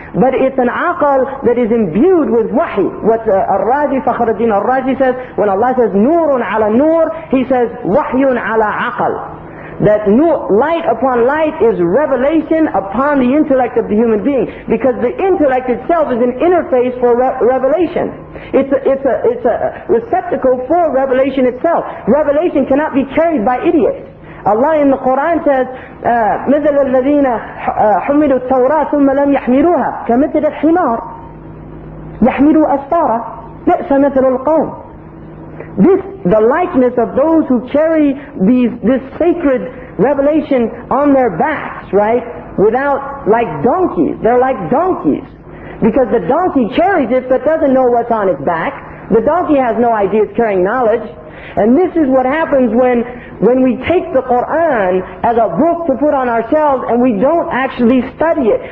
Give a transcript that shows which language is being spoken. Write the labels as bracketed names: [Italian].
[English] But it's an aql that is imbued with wahi. What Ar-Razi, Fakhruddin Ar-Razi says, when Allah says, [Arabic] nurun ala nur, [English] He says, [Arabic] wahyun ala aql. [English] That light upon light is revelation upon the intellect of the human being, because the intellect itself is an interface for revelation. It's a receptacle for revelation itself. Revelation cannot be carried by idiots. Allah in the Quran says, [Arabic] مثل الذين حملوا التوراة ثم لم يحملوها كمثل الحمار يحملوا أسفارا بئس مثل القوم. [English] This, the likeness of those who carry this sacred revelation on their backs, right? Without, like donkeys. They're like donkeys. Because the donkey carries it but doesn't know what's on its back. The donkey has no idea it's carrying knowledge. And this is what happens when we take the Quran as a book to put on ourselves and we don't actually study it.